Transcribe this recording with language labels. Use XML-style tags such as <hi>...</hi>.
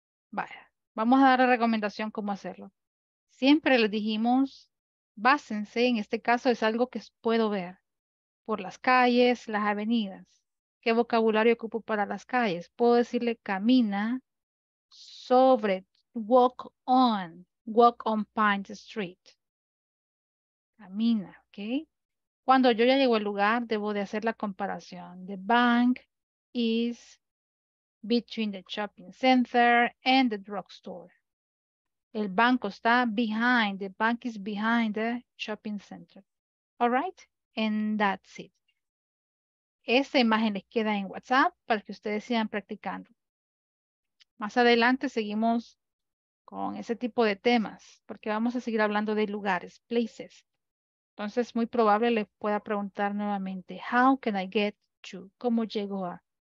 <es>Vaya, vamos a dar la recomendación cómo hacerlo. Siempre les dijimos, básense, en este caso es algo que puedo ver, por las calles, las avenidas. ¿Qué vocabulario ocupo para las calles? Puedo decirle camina sobre,</es> <en>walk on Pine Street.</en> <es>Camina, ¿ok? Cuando yo ya llego al lugar, debo de hacer la comparación.</es> <en>The bank is between the shopping center and the drugstore.</en> <es>El banco está</es> <en>behind, the bank is behind the shopping center. All right? And that's it.</en> <es>Esa imagen les queda en WhatsApp para que ustedes sigan practicando. Más adelante seguimos con ese tipo de temas, porque vamos a seguir hablando de lugares, places. Entonces, muy probable les pueda preguntar nuevamente,</es> <en>how can I get to,</en> <es>cómo llego a.</es>